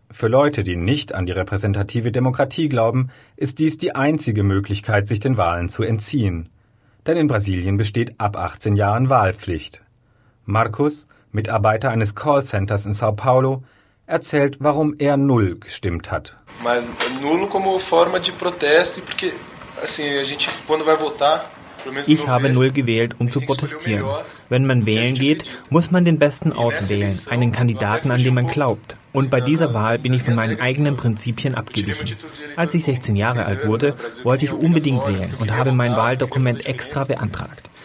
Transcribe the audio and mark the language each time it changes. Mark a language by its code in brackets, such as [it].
[de] Für Leute, die nicht an die repräsentative Demokratie glauben, ist dies die einzige Möglichkeit, sich den Wahlen zu entziehen. Denn in Brasilien besteht ab 18 Jahren Wahlpflicht. Markus, Mitarbeiter eines Callcenters in Sao Paulo, erzählt, warum er null gestimmt hat. [pt] Null como forma de protesto, porque assim a gente quando vai votar. [de] Ich habe null gewählt, um zu protestieren. Wenn man wählen geht, muss man den Besten auswählen, einen Kandidaten, an den man glaubt. Und bei dieser Wahl bin ich von meinen eigenen Prinzipien abgewichen. Als ich 16 Jahre alt wurde, wollte ich unbedingt wählen und habe mein Wahldokument extra beantragt.